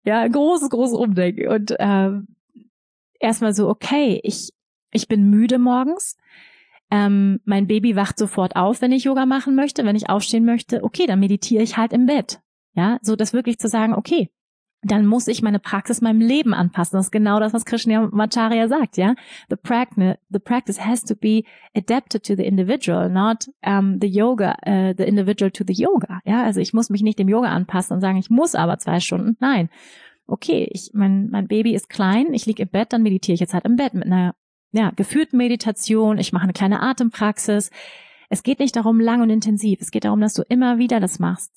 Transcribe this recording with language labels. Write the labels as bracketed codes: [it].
[de] Ja, ein großes Umdenken. Und erstmal so, okay, ich bin müde morgens, mein Baby wacht sofort auf, wenn ich Yoga machen möchte, wenn ich aufstehen möchte, okay, dann meditiere ich halt im Bett. Ja, so das wirklich zu sagen, okay, dann muss ich meine Praxis meinem Leben anpassen. Das ist genau das, was Krishnamacharya sagt, ja. [en] The practice has to be adapted to the individual, not the individual to the yoga. [de] Ja, also ich muss mich nicht dem Yoga anpassen und sagen, ich muss aber 2 Stunden, nein. Okay, mein Baby ist klein, ich liege im Bett, dann meditiere ich jetzt halt im Bett mit einer geführten Meditation, ich mache eine kleine Atempraxis. Es geht nicht darum, lang und intensiv. Es geht darum, dass du immer wieder das machst.